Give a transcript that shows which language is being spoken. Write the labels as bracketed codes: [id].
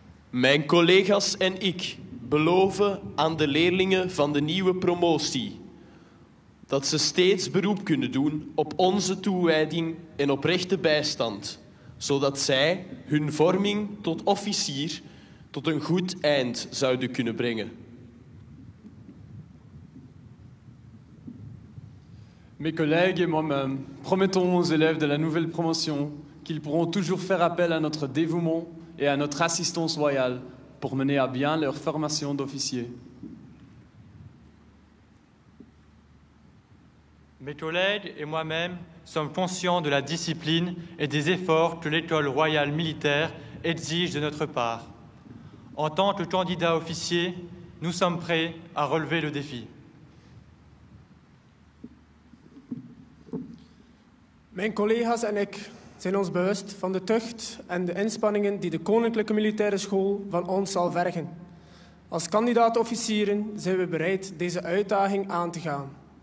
[nl] Mijn collega's en ik beloven aan de leerlingen van de nieuwe promotie dat ze steeds beroep kunnen doen op onze toewijding en oprechte bijstand, zodat zij hun vorming tot officier tot een goed eind zouden kunnen brengen. [fr] Mes collègues et moi-même promettons aux élèves de la nouvelle promotion qu'ils pourront toujours faire appel à notre dévouement et à notre assistance royale pour mener à bien leur formation d'officier. Mes collègues et moi-même sommes conscients de la discipline et des efforts que l'École royale militaire exige de notre part. En tant que candidat officier, nous sommes prêts à relever le défi. Mes collègues et moi [nl] zijn ons bewust van de tucht en de inspanningen die de Koninklijke Militaire School van ons zal vergen. Als kandidaat-officieren zijn we bereid deze uitdaging aan te gaan.